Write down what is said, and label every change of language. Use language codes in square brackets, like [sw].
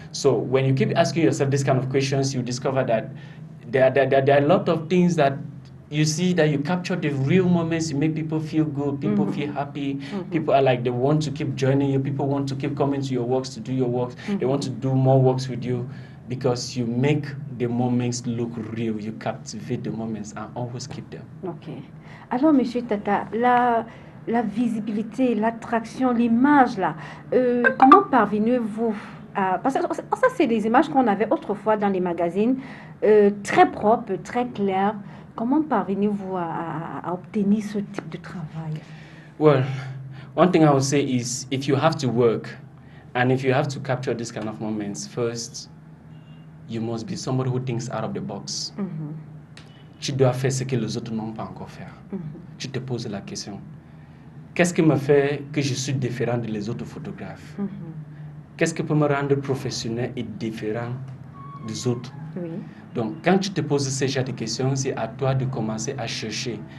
[en] So when you keep asking yourself these kind of questions, you discover that There are a lot of things that you see that you capture the real moments, you make people feel good, people mm-hmm. feel happy, mm-hmm. people are like, they want to keep joining you, people want to keep coming to your works, to do your works, mm-hmm. they want to do more works with you because you make the moments look real, you captivate the moments and always keep them. Okay. [fr] Alors, Monsieur Tata, la visibilité, l'attraction, l'image là, comment parvenez-vous? Parce que ça, c'est des images qu'on avait autrefois dans les magazines, très propres, très claires. Comment parvenez-vous à obtenir ce type de travail? [en] Well, one thing I would say is, if you have to work, and if you have to capture this kind of moments, first, you must be somebody who thinks out of the box. Mm-hmm. [fr] Tu dois faire ce que les autres n'ont pas encore fait. Mm-hmm. Tu te poses la question. Qu'est-ce qui me fait que je suis différent de les autres photographes? Mm-hmm. Qu'est-ce qui peut me rendre professionnel et différent des autres? Oui. Donc, quand tu te poses ce genre de questions, c'est à toi de commencer à chercher.